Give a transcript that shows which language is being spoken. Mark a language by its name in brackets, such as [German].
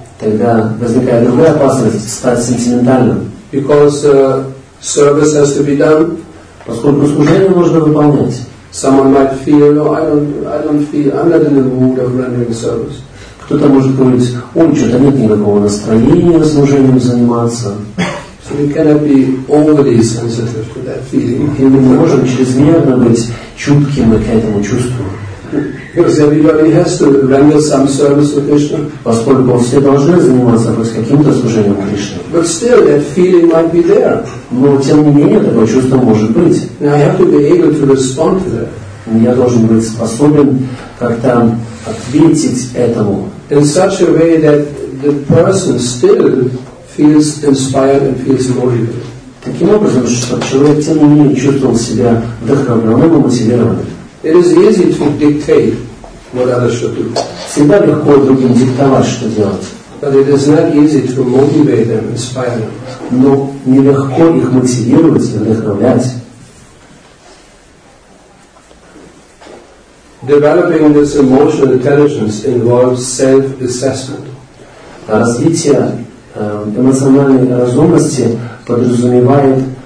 [Russian] Тогда возникает другая опасность стать сентиментальным. [English] Because service has to be done. [Russian] Поскольку служение нужно выполнять. [English] Someone might feel, no, I don't feel, I'm not in the mood of rendering service. [Russian] Кто-то может говорить, ой, что-то нет никакого настроения служением заниматься. [English] So we cannot be overly sensitive to that feeling. [Russian] И мы не можем чрезмерно быть чуткими к этому чувству. [English] Because everybody has to render some service to Krishna. [Russian] Поскольку все должны заниматься хоть каким-то служением Кришне. [English] But still, that feeling might be there. [Russian] Но тем не менее такое чувство может быть. [English] Now I have to be able to respond to that. [Russian] Я должен быть способен как-то ответить этому. [English] In such a way that the person still feels inspired and feels motivated. [Russian] Таким образом, чтобы человек тем не менее чувствовал себя вдохновленным и мотивированным. [English] It is easy to dictate what others should do. [Russian] Всегда легко другим диктовать, что делать. [English] But it is not easy to motivate them, inspire them. [Russian] Но нелегко их мотивировать и вдохновлять. [English] Developing this emotional intelligence involves self-assessment. [Russian] Развитие эмоциональной разумности подразумевает